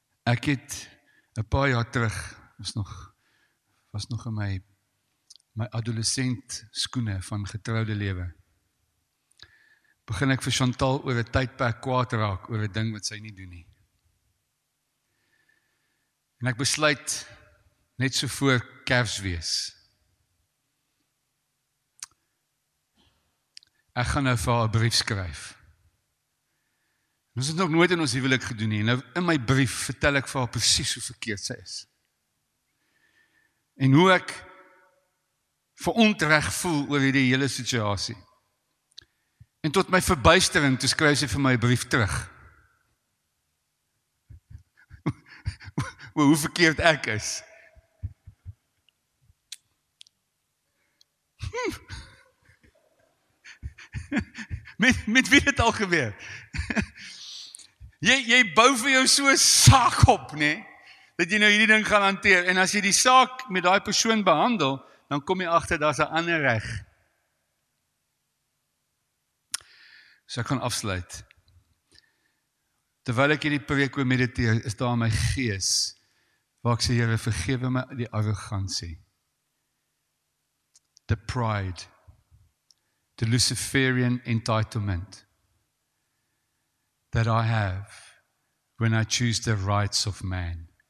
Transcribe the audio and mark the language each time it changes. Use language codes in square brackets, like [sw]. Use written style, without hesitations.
[af] Ek het, 'n paar jaar terug, was nog in my adolescent skoene van getroude lewe, begin ek vir Chantal oor 'n tydperk kwaad raak, oor 'n ding wat sy nie doen nie. En ek besluit net so voor Kersfees. ek gaan nou vir haar 'n brief skryf. Ons het nog nooit in ons huwelik gedoen nie. Nou in my brief vertel ek vir haar presies hoe verkeerd sy is. En hoe ek verontreg voel oor hierdie hele situasie. En tot my verbuistering, toe skryf sy vir my 'n brief terug. Hoe verkeerd ek is. Met wie het al gebeur? Jy bou vir jou so 'n saak op, né? Dat jy nou hierdie ding gaan hanteer. En as jy die saak met daai persoon behandel, dan kom jy agter daar's 'n ander reg. So ek gaan afsluit. Terwyl ek hierdie preek oor mediteer, is daar in my gees waar ek sê, Here, vergewe my die arrogansie. [en] The pride. The Luciferian entitlement that I have when I choose the rights of man.